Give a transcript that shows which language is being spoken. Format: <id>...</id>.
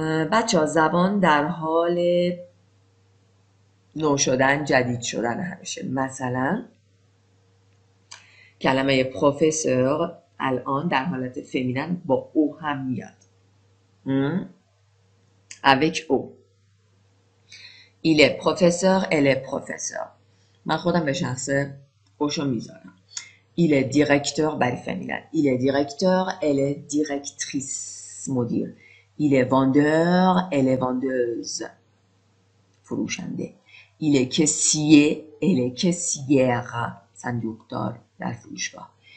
<fa>بچه ها زبان در حال نو شدن جدید شدن همیشه. مثلا کلمه پروفسور الان در حالت فمینن با او هم میاد.</fa> <fr>Avec او. Il est professeur, elle est professeur.</fr> <fa>من خودم به شخصه اوشو میذارم.</fa> <fr>Il est directeur,</fr> <fa>برای فمینن.</fa> <fr>Il est directeur, elle est directrice, مدیر. Il est vendeur, elle est vendeuse.</fr> <fa>فروشنده.</fa> <fr>Il est caissier, elle est caissière.</fr> <fa>صندوقدار در فروشگاه.</fa>